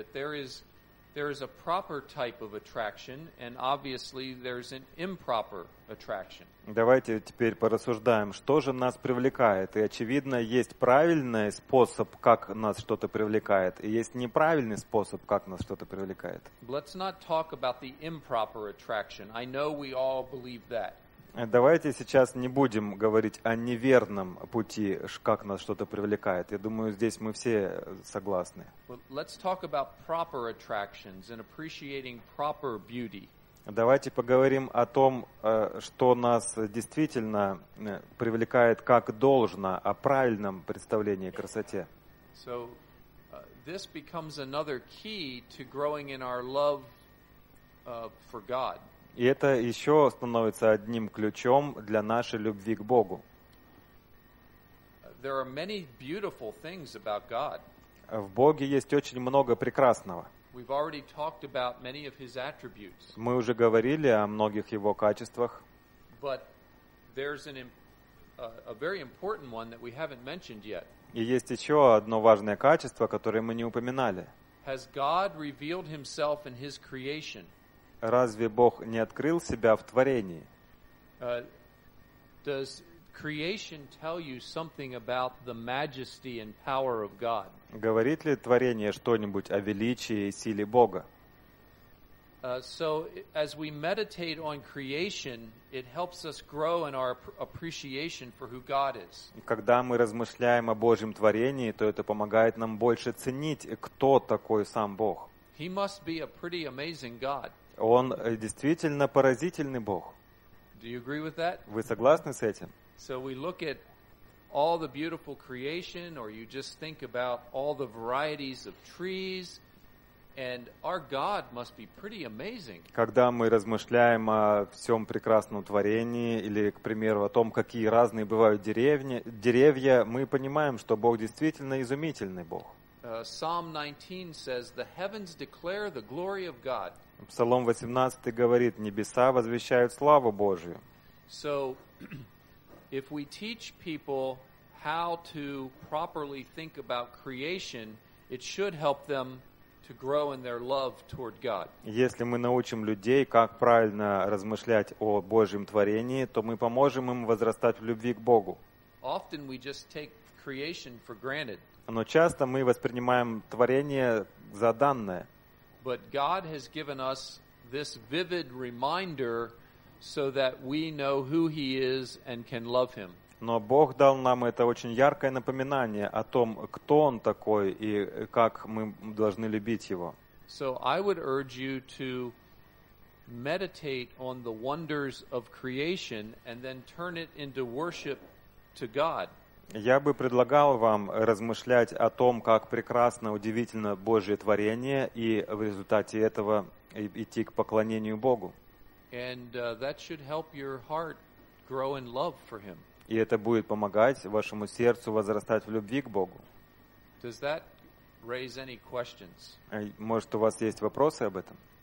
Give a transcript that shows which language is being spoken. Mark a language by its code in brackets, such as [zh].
[en] That there is a proper type of attraction, and obviously there's an improper attraction. [ru] Давайте теперь порассуждаем, что же нас привлекает. И очевидно, есть правильный способ, как нас что-то привлекает, и есть неправильный способ, как нас что-то привлекает. [en] Let's not talk about the improper attraction. I know we all believe that. [ru] Давайте сейчас не будем говорить о неверном пути, как нас что-то привлекает. Я думаю, здесь мы все согласны. [en] Let's talk about proper attractions and appreciating proper beauty. [ru] Давайте поговорим о том, что нас действительно привлекает как должно, о правильном представлении о красоте. [en] So, this becomes another key to growing in our love for God. [ru] И это еще становится одним ключом для нашей любви к Богу. [en] There are many beautiful things about God. [ru] В Боге есть очень много прекрасного. [en] We've already talked about many of his attributes. [ru] Мы уже говорили о многих его качествах. [en] But there's an a very important one that we haven't mentioned yet. [ru] И есть еще одно важное качество, которое мы не упоминали. [en] Has God revealed himself in his creation? [ru] Разве Бог не открыл себя в творении? [en] Does creation tell you something about the majesty and power of God? [ru] Говорит ли творение что-нибудь о величии и силе Бога? [en] So as we meditate on creation, it helps us grow in our appreciation for who God is. [ru] Когда мы размышляем о Божьем творении, то это помогает нам больше ценить, кто такой сам Бог. [en] He must be a pretty amazing God. [ru] Он действительно поразительный Бог. [en] Do you agree with that? [ru] Вы согласны с этим? [en] So we look at all the beautiful creation, or you just think about all the varieties of trees. And our God must be pretty amazing. [ru] Когда мы размышляем о всем прекрасном творении или, к примеру, о том, какие разные бывают деревья, мы понимаем, что Бог действительно изумительный Бог. [en] Psalm 19 says, "The heavens declare the glory of God." [ru] Псалом 18 говорит: "Небеса возвещают славу Божию." [en] So, if we teach people how to properly think about creation, it should help them to grow in their love toward God. [ru] Если мы научим людей, как правильно размышлять о Божьем творении, то мы поможем им возрастать в любви к Богу. [en] Often we just take creation for granted. [ru] Но часто мы воспринимаем творение за данное. [en] But God has given us this vivid reminder so that we know who he is and can love him. [ru] Но Бог дал нам это очень яркое напоминание о том, кто Он такой и как мы должны любить Его. [en] So I would urge you to meditate on the wonders of creation and then turn it into worship to God. [ru] Я бы предлагал вам размышлять о том, как прекрасно, удивительно Божье творение, и в результате этого идти к поклонению Богу. [en] And that should help your heart grow in love for Him. [ru] И это будет помогать вашему сердцу возрастать в любви к Богу. [en] Does that raise any questions? [ru] Может, у вас есть вопросы об этом?